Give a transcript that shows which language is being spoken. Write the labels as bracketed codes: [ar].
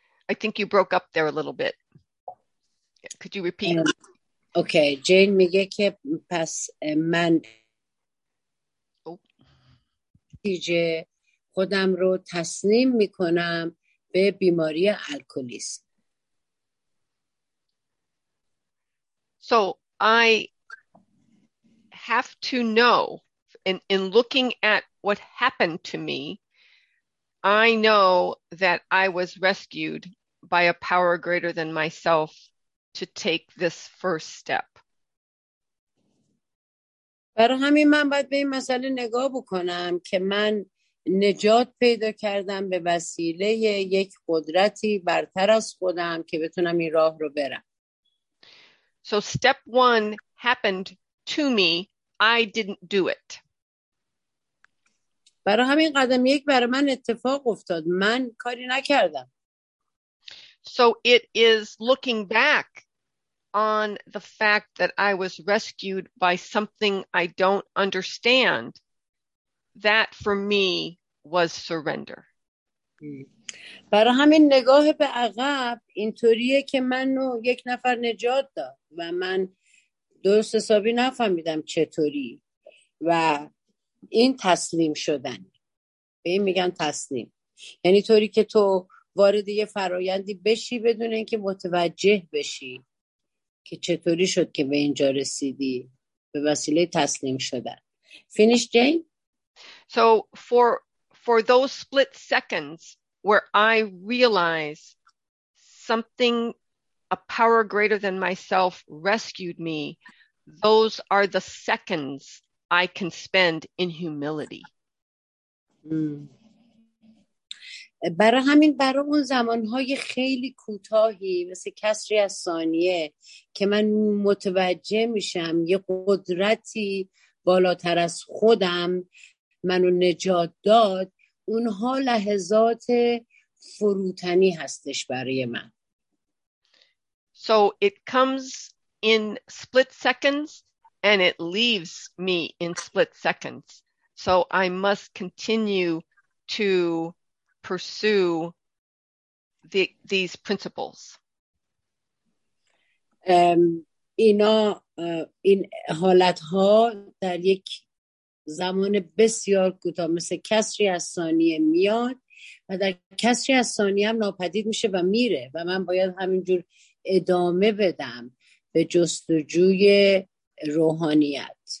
[en] I think you broke up there a little bit. Could you repeat? [fa] Okay, Jane میگه که پس من نتیجه خودم رو تسلیم میکنم به بیماری الکلیسم. [en] So I have to know, in looking at what happened to me, I know that I was rescued by a power greater than myself to take this first step. [fa] برای همین من باید به این مسئله نگاه بکنم که من نجات پیدا کردم به وسیله یک قدرتی برتر از خودم که بتونم این راه رو برم. [en] So step one happened to me. I didn't do it. [fa] برای همین قدم یک برای من اتفاق افتاد. من کاری نکردم. [en] So it is looking back on the fact that I was rescued by something I don't understand. That for me was surrender. [fa] برای همین نگاه به عقب اینطوریه که منو یک نفر نجات داد و من درست حسابی نفهمیدم چطوری و این تسلیم شدن. به این میگن تسلیم. یعنی طوری که تو وارد یه فرایندی بشی بدون اینکه متوجه بشی که چطوری شد که به اینجا رسیدی به وسیله تسلیم شدن. [en] Finish, Jane. So for those split seconds where I realize something, a power greater than myself rescued me, those are the seconds I can spend in humility. [fa] برای همین برای اون زمانهای خیلی کوتاهی مثل کسری از ثانیه که من متوجه میشم یه قدرتی بالاتر از خودم منو نجات داد، اونها لحظات فروتنی هستش برای من. [en] So it comes in split seconds and it leaves me in split seconds. So I must continue to pursue these principles. [fa] In حالت ها در یک زمان بسیار کوتاه مثل کسری از ثانیه میاد و در کسری از ثانیه هم ناپدید میشه و میره و من باید همینجور ادامه بدم به جستجوی روحانیت.